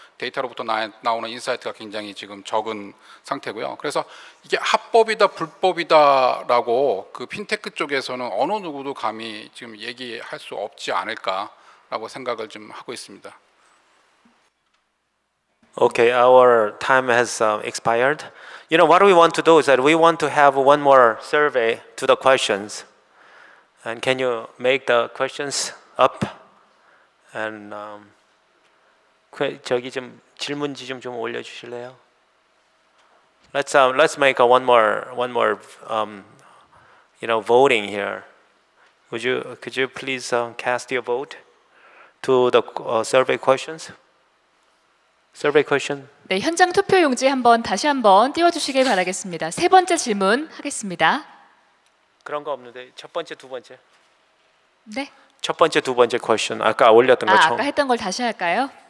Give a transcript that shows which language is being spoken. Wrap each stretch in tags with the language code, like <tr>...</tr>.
<ko>데이터로부터 나오는 인사이트가 굉장히 지금 적은 상태고요. 그래서 이게 합법이다 불법이다라고 그 핀테크 쪽에서는 어느 누구도 감히 지금 얘기할 수 없지 않을까라고 생각을 좀 하고 있습니다.</ko> <en>Okay, our time has expired. You know, what we want to do is that we want to have one more survey to the questions. And can you make the questions up?</en> <ko>And 저기 좀 질문지 좀 올려주실래요?</ko> <en>Let's make one more you know, voting here. Could you please cast your vote to the survey questions? Survey question.</en> <ko>네, 현장 투표 용지 한번 띄워주시길 바라겠습니다. 세 번째 질문 하겠습니다. 그런 거 없는데 첫 번째, 두 번째. 네. 첫 번째, 두 번째 question. 아까 올렸던 거 처음. 아까 했던 걸 다시 할까요?</ko>